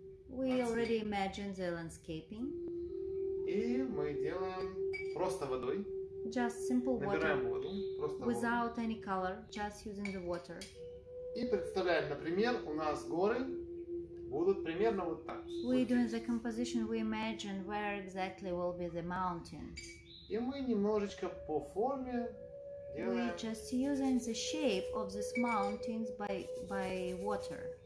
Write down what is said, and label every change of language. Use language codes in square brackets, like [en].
[en] We already imagined the landscaping. [ru] И мы делаем просто водой. [en] Just simple water. [ru] Набираем воду. Просто [en] without [ru] воду. [en] Any color, just using the water. [ru] И представляем, например, у нас горы будут примерно вот так. [en] We're doing the composition, we imagine where exactly will be the mountain. [ru] И мы немножечко по форме делаем. [en] We're just using the shape of these mountains by water.